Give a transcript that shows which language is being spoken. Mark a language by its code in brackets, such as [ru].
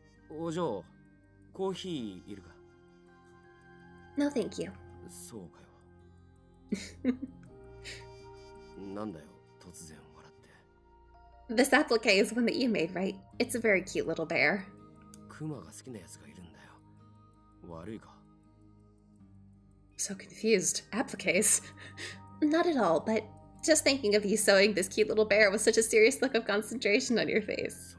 [ja] Ojo. コーヒーいるか [en] No, thank you. [ja] そうかよ。なんだよ、突然笑って。 [en] This applique is one that you made, right? It's a very cute little bear. [ja] クマが好きなやつがいるんだよ。悪いか [en] So confused. Appliques? Not at all, but just thinking of you sewing this cute little bear with such a serious look of concentration on your face.